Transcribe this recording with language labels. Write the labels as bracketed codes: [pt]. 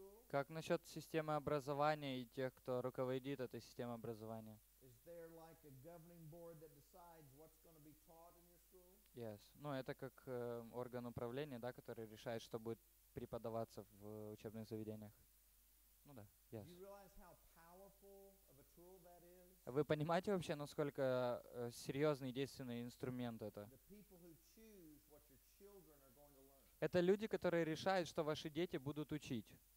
[ru] Как насчет системы образования и тех, кто руководит этой системой образования? [en] Is there like a governing board that decides what's going to be taught in your school? Yes. [ru] Ну, это как орган управления, да, который решает, что будет преподаваться в учебных заведениях. Ну да. Yes. [en] Do you realize how powerful of a tool that is? [ru] Вы понимаете вообще, насколько серьезный и действенный инструмент это? [en] The people who choose what your children are going to learn. [ru] Это люди, которые решают, что ваши дети будут учить.